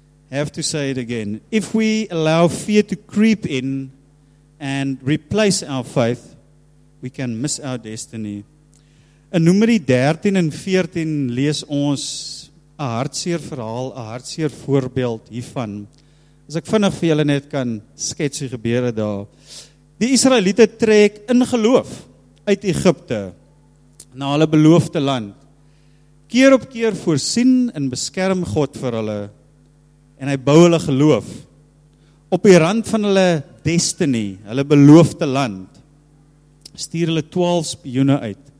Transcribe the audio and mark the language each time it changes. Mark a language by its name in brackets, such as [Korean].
[English] I have to say it again. If we allow fear to creep in and replace our faith, we can miss our destiny. [Afrikaans] In Numeri 13 en 14 lees ons 'n hartseer verhaal, 'n hartseer voorbeeld hiervan. As ek vinnig vir julle net kan skets wat gebeur het daar. Die Israeliete trek in geloof uit Egipte na hulle beloofde land. Keer op keer voorsien en beskerm God vir hulle en hy bou hulle geloof op die rand van hulle destiny, hulle beloofde land. Stuur hulle 12 spioene uit.